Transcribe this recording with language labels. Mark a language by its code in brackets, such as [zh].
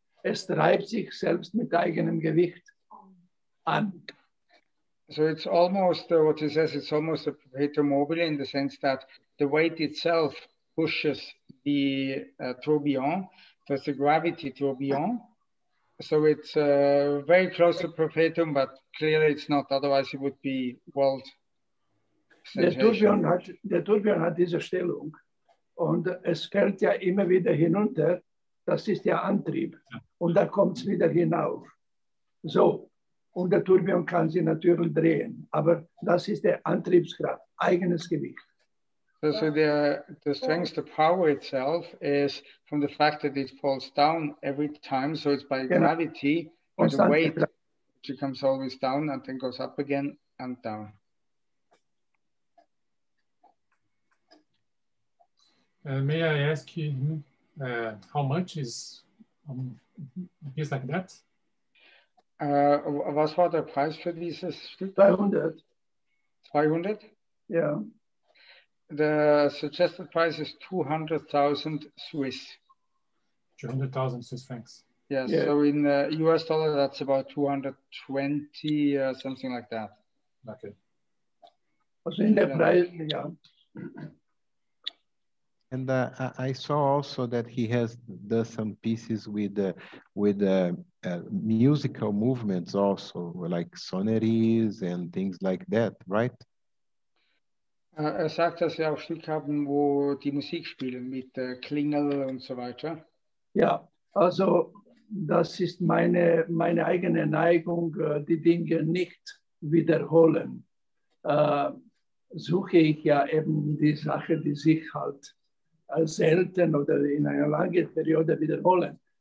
[de] Es treibt sich selbst mit eigenem Gewicht an. [en] So it's almost what he says, it's almost a perpetuum mobile in the sense that the weight itself pushes the tourbillon, there's a gravity tourbillon. So it's very close to perpetuum, but clearly it's not, otherwise it would be world. [de] Der Tourbillon hat diese Stellung und es fällt ja immer wieder hinunter, das ist der Antrieb und da kommt es wieder hinauf. So, und der Tourbillon kann sich natürlich drehen, aber das ist der Antriebskraft, eigenes Gewicht. [en] So the strength, the power itself is from the fact that it falls down every time, so it's by gravity, and the weight, which comes always down and then goes up again and down. May I ask you how much is a piece like that? [de] Was war der Preis für dieses Stück? 200. [en] 200? Yeah. The suggested price is 200,000 Swiss. 200,000 Swiss francs. Yes, yeah. So in US dollar, that's about 220, something like that. Okay. Also in the price, yeah. And I saw also that he has done some pieces with musical movements also, like sonneries and things like that, right? [de] Er sagt, dass sie auch Stücke haben, wo die Musik spielen, mit Klingel und so weiter. Ja, also das ist meine eigene Neigung, die Dinge nicht wiederholen. Suche ich ja eben die Sache, die sich halt selten oder in einer langen Periode wiederholen.